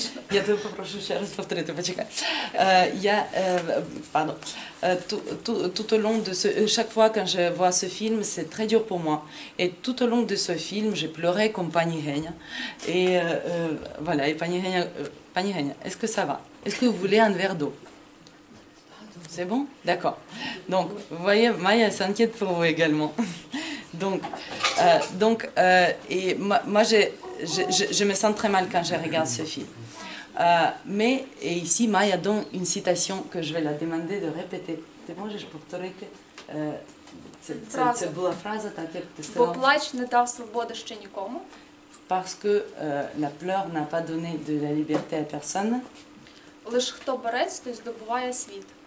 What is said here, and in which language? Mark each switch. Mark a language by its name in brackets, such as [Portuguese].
[Ukrainian] Я тебе попрошу ще раз повторити, почекай. [French] Я, pardon. Tout au long de ce, chaque fois quand je vois ce film, c'est très dur pour moi. Et tout au long de ce film, j'ai pleuré comme Pani Hegna. Et voilà, et Pani Hegna, est-ce que ça va? Est-ce que vous voulez un verre d'eau? C'est bon? D'accord. Donc, vous voyez, Maya s'inquiète pour vous également. Donc, moi, je me sens très mal quand je regarde ce film. Mais, et ici, Maya donne une citation que je vais la demander de répéter. C'est bon, je peux te répéter. C'est la phrase, ta tête. [Ukrainian] Bo plach ne dav svobody ще nikomu. [French] Parce que la pleure n'a pas donné de la liberté à personne. [Ukrainian] Лише хто борець, той здобуває світ.